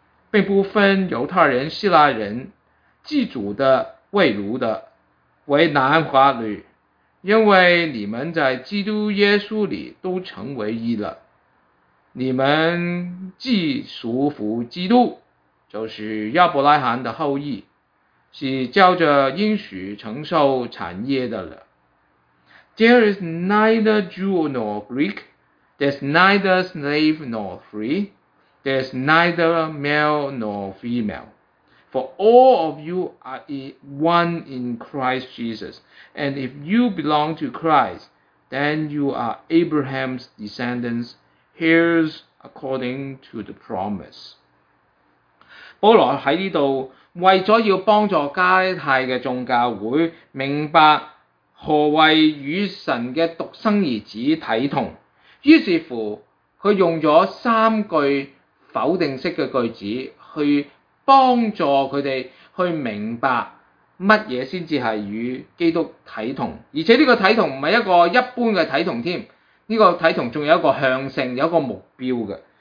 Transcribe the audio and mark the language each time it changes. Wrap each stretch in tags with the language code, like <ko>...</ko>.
<zh>并不分犹太人、希腊人，自主的、为奴的，为男或女，因为你们在基督耶稣里都成为义了。你们既属乎基督，就是亚伯拉罕的后裔，是照着应许承受产业的了。</zh> <en>There is neither Jew nor Greek, there is neither slave nor free, there is neither male nor female. For all of you are one in Christ Jesus, and if you belong to Christ, then you are Abraham's descendants, heirs according to the promise.</en> <zh>保罗在这里为了要帮助加拉太的众教会明白何谓与神的独生儿子体同，于是乎他用了三句否定式的句子去帮助他们去明白什么才是与基督体同，而且这个体同不是一个一般的体同，这个体同还有一个向性，有一个目标的。</zh>